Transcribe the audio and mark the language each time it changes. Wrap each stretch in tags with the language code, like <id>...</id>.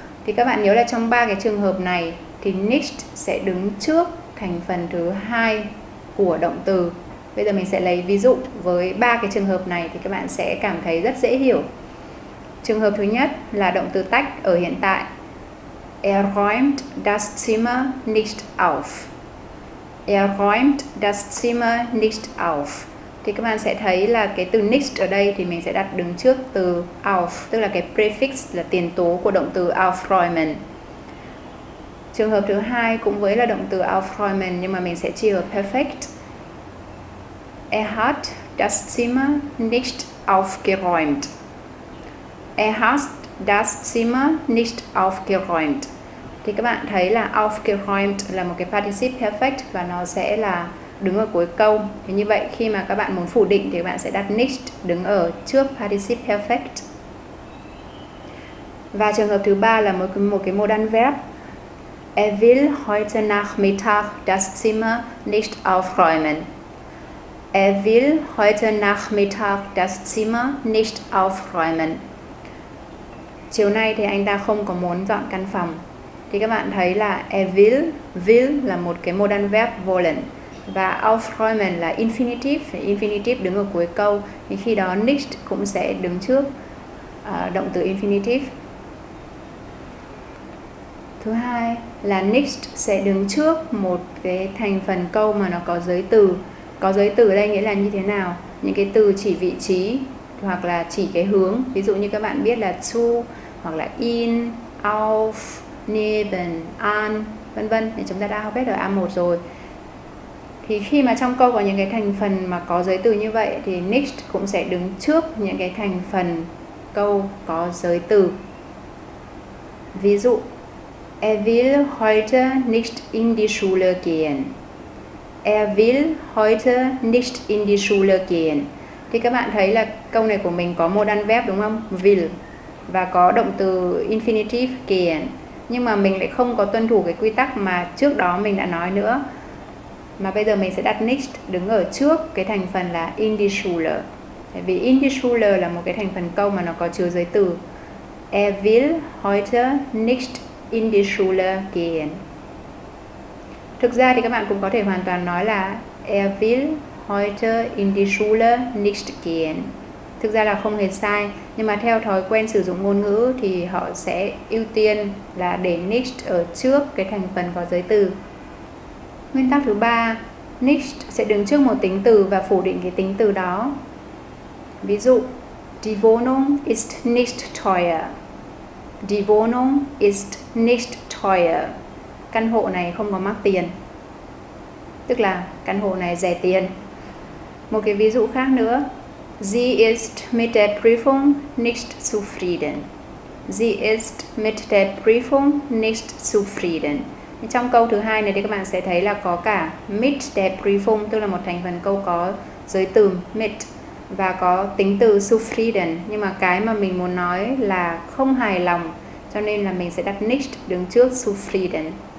<vi>Thì các bạn nhớ là trong ba cái trường hợp này thì nicht sẽ đứng trước thành phần thứ hai của động từ. Bây giờ mình sẽ lấy ví dụ với ba cái trường hợp này thì các bạn sẽ cảm thấy rất dễ hiểu. Trường hợp thứ nhất là động từ tách ở hiện tại.</vi> <de>Er räumt das Zimmer nicht auf. Er räumt das Zimmer nicht auf.</de> <vi>Thì các bạn sẽ thấy là cái từ nicht ở đây thì mình sẽ đặt đứng trước từ auf, tức là cái prefix là tiền tố của động từ aufräumen. Trường hợp thứ hai cũng với là động từ aufräumen nhưng mà mình sẽ chia ở perfect.</vi> <de>Er hat das Zimmer nicht aufgeräumt. Er hat das Zimmer nicht aufgeräumt.</de> <vi>Thì các bạn thấy là aufgeräumt là một cái particip perfect và nó sẽ là đứng ở cuối câu. Thì như vậy khi mà các bạn muốn phủ định thì các bạn sẽ đặt nicht đứng ở trước particip perfect. Và trường hợp thứ ba là một cái modal verb.</vi> <de>Er will heute Nachmittag das Zimmer nicht aufräumen. Er will heute Nachmittag das Zimmer nicht aufräumen.</de> <vi>Chiều nay thì anh ta không có muốn dọn căn phòng. Thì các bạn thấy là</vi> <de>er will,</de> <vi>will là một cái modal verb wollen. Và aufräumen là infinitive, infinitive đứng ở cuối câu. Thì khi đó nicht cũng sẽ đứng trước động từ infinitive. Thứ hai là nicht sẽ đứng trước một cái thành phần câu mà nó có giới từ. Có giới từ ở đây nghĩa là như thế nào? Những cái từ chỉ vị trí hoặc là chỉ cái hướng. Ví dụ như các bạn biết là zu hoặc là in, auf, neben, an, vân vân. Thì chúng ta đã học hết ở A1 rồi. Thì khi mà trong câu có những cái thành phần mà có giới từ như vậy thì nicht cũng sẽ đứng trước những cái thành phần câu có giới từ. Ví dụ,</vi> <de>er will heute nicht in die Schule gehen. Er will heute nicht in die Schule gehen.</de> <vi>Thì các bạn thấy là câu này của mình có modal verb đúng không? Will. Và có động từ infinitive gehen. Nhưng mà mình lại không có tuân thủ cái quy tắc mà trước đó mình đã nói nữa. Mà bây giờ mình sẽ đặt nicht đứng ở trước cái thành phần là</vi> <de>in die Schule.</de> <vi>Tại vì</vi> <de>in die Schule</de> <vi>là một cái thành phần câu mà nó có chứa giới từ.</vi> <de>Er will heute nicht in die Schule gehen.</de> <vi>Thực ra thì các bạn cũng có thể hoàn toàn nói là</vi> <de>er will heute in die Schule nicht gehen.</de> <vi>Thực ra là không hề sai, nhưng mà theo thói quen sử dụng ngôn ngữ thì họ sẽ ưu tiên là để nicht ở trước cái thành phần có giới từ. Nguyên tắc thứ ba, nicht sẽ đứng trước một tính từ và phủ định cái tính từ đó. Ví dụ,</vi> <de>die Wohnung ist nicht teuer. Die Wohnung ist nicht teuer.</de> <vi>Căn hộ này không có mắc tiền, tức là căn hộ này rẻ tiền. Một cái ví dụ khác nữa,</vi> <de>sie ist mit der Prüfung nicht zufrieden. Sie ist mit der Prüfung nicht zufrieden.</de> <vi>Trong câu thứ hai này thì các bạn sẽ thấy là có cả</vi> <de>mit der Prüfung,</de> <vi>tức là một thành phần câu có giới từ mit và có tính từ zufrieden, nhưng mà cái mà mình muốn nói là không hài lòng, cho nên là mình sẽ đặt nicht đứng trước zufrieden.</vi>